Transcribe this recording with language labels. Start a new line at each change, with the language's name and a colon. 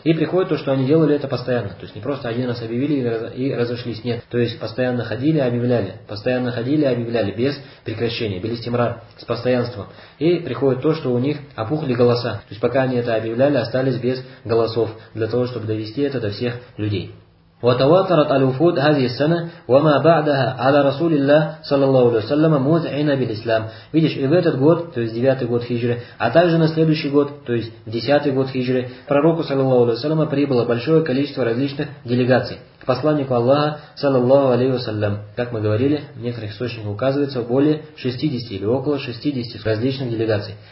Russian: И приходит то, что они делали это постоянно. То есть не просто один раз объявили и разошлись. Нет. То есть постоянно ходили, объявляли. Постоянно ходили, объявляли. Без прекращения. Без истимрар. С постоянством. И приходит то, что у них опухли голоса. То есть пока они это объявляли, остались без голосов. Для того, чтобы довести это до всех людей.
Arabic: وتواترت الوفود هذه السنة وما بعدها على رسول الله صلى الله عليه وسلم موزعين بالإسلام.
Russian: Видишь, и в этот год, то есть 9-й год хиджры, а также на следующий год, то есть 10-й год хиджры, пророку صلى الله عليه وسلم прибыло большое количество различных делегаций к посланнику Аллаха صلى الله عليه وسلم. Как мы говорили, в некоторых источниках указывается более 60 или около 60 различных делегаций.